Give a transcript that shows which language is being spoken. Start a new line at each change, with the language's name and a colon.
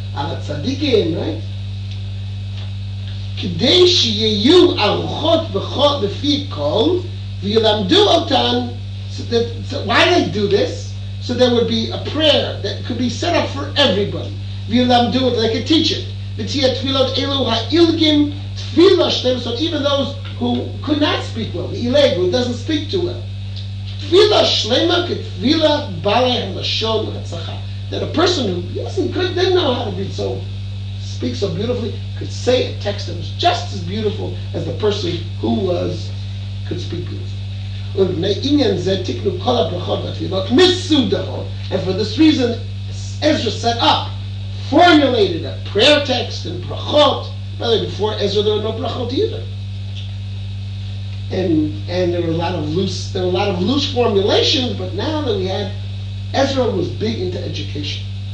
Hebrew: על הצדיקים, right? כדי שיהיו ארוחות בכל, בפי כל, וילמדו אותן,
English: so that, so why they do this? So there would be a prayer that could be set up for everybody.
Hebrew: וילמדו אותן,
English: they could teach it.
Hebrew: ותהיה תפילות אלו האילגים, תפילה שלהם,
English: so even those who could not speak well, the ileg, who doesn't speak too well.
Hebrew: תפילה שלמה כתפילה בעלי הלשון והצחה.
English: That a person who wasn't good, didn't know how to read so, speak so beautifully, could say a text that was just as beautiful as the person who was, could speak beautifully.
Hebrew: ובני עניין זה תקנו כל הברכות והתפילות מסודרות.
English: And for this reason, Ezra set up, formulated a prayer text and brachot. By the way, before Ezra, there were no brachot either. And there were a lot of loose, there were a lot of loose formulations, but now that we had, Ezra was big into education.